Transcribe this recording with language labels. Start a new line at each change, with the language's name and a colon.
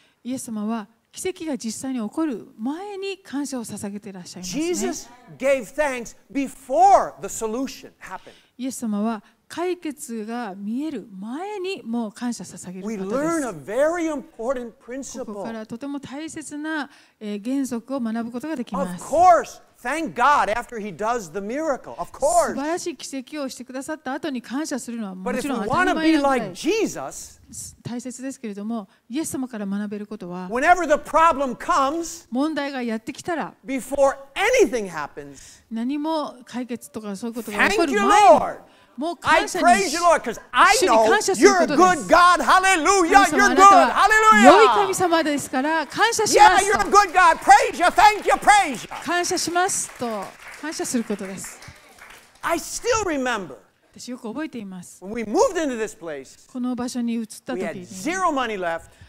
Japanese: イエス様は奇跡が実際に起こる前に感謝を捧げていらっしゃいますね。
English: Jesus gave thanks before the solution happened.
Japanese: イエス様は解決が見える前にもう感謝捧げる方です。ここからとても大切な原則を学ぶことができます。
English: Of course, thank God after He does the miracle. Of course.
Japanese: 素晴らしい奇跡をしてくださった後に感謝するのはもちろん当たり前なぐらい。
English: But if we want to be like
Japanese: 大切ですけれども、イエス様から学べることは、
English: Whenever the problem comes,
Japanese: 問題がやってきたら、
English: Before anything happens,
Japanese: 何も解決とかそういうことが起こる前に。
English: I praise you, Lord, because I know you're a good God. Hallelujah! You're good. Hallelujah!
Japanese: 良い神様ですから感謝します。
English: Yeah, you're a good God. Praise you. Thank you. Praise you.
Japanese: 感謝しますと感謝することです。
English: I still remember.
Japanese: 私よく覚えています。
English: When we moved into this place,
Japanese: この場所に移った時に、
English: we had zero money left.